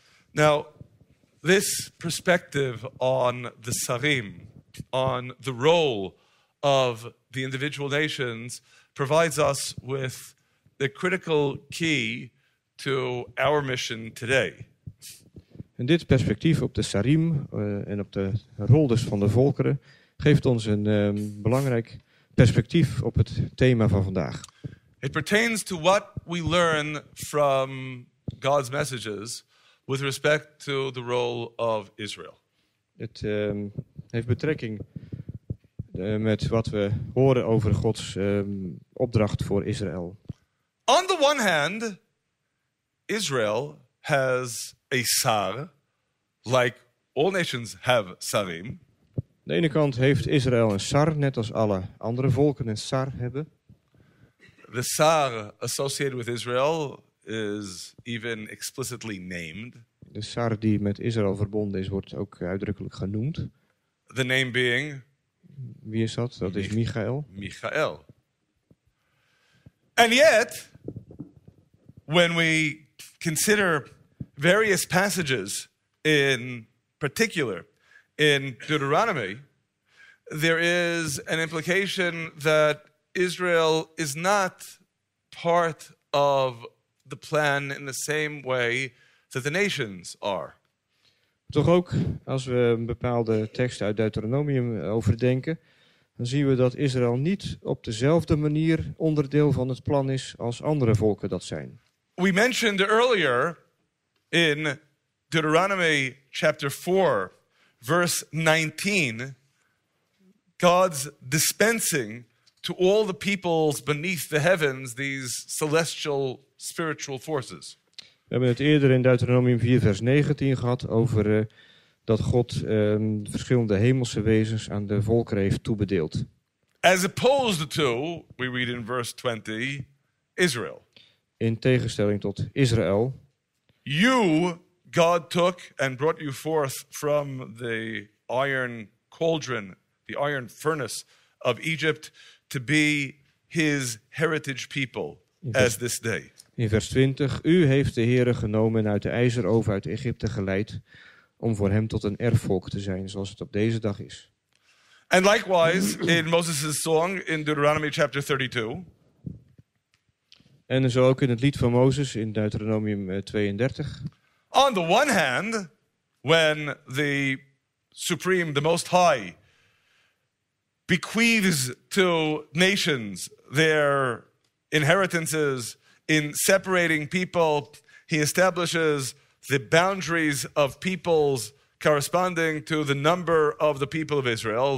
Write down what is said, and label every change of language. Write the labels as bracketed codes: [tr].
[en] Now, this perspective on the Sarim, on the role of the individual nations, provides us with the critical key to our mission today. [nl] En dit perspectief op de Sarim en op de rol dus van de volkeren geeft ons een belangrijk perspectief op het thema van vandaag. [en] It pertains to what we learn from God's messages with respect to the role of Israel. [nl] Het heeft betrekking met wat we horen over Gods opdracht voor Israël. [en] On the one hand, Israel has a sar, like all nations have sarim. [nl] Aan de ene kant heeft Israël een sar, net als alle andere volken een sar hebben. [en] The sar associated with Israel is even explicitly named. [nl] De sar die met Israël verbonden is, wordt ook uitdrukkelijk genoemd. [en] The name being... [nl] Wie is dat? Dat is Michael. [en] Michael. And yet, when we consider various passages in particular in Deuteronomy, there is an implication that Israel is not part of the plan in the same way that the nations are. [nl] Toch ook, als we een bepaalde tekst uit Deuteronomium overdenken, dan zien we dat Israël niet op dezelfde manier onderdeel van het plan is als andere volken dat zijn. [en] We mentioned earlier in Deuteronomy chapter 4, verse 19, God's dispensing to all the peoples beneath the heavens these celestial spiritual forces. [nl] We hebben het eerder in Deuteronomium 4, vers 19 gehad over dat God verschillende hemelse wezens aan de volkeren heeft toebedeeld. [en] As opposed to, we read in verse 20, Israel. [nl] In tegenstelling tot Israël. [en] You, God took and brought you forth from the iron cauldron, the iron furnace of Egypt, to be his heritage people as this day. [nl] In vers 20, u heeft de Heere genomen uit de ijzeroven uit Egypte geleid om voor hem tot een erfvolk te zijn zoals het op deze dag is. [en] And likewise in Moses' song in Deuteronomy chapter 32. [nl] En zo ook in het lied van Mozes in Deuteronomium 32. [en] On the one hand, when the Supreme, the Most High, bequeaths to nations their inheritances in separating people, he establishes the boundaries of peoples corresponding to the number of the people of Israel.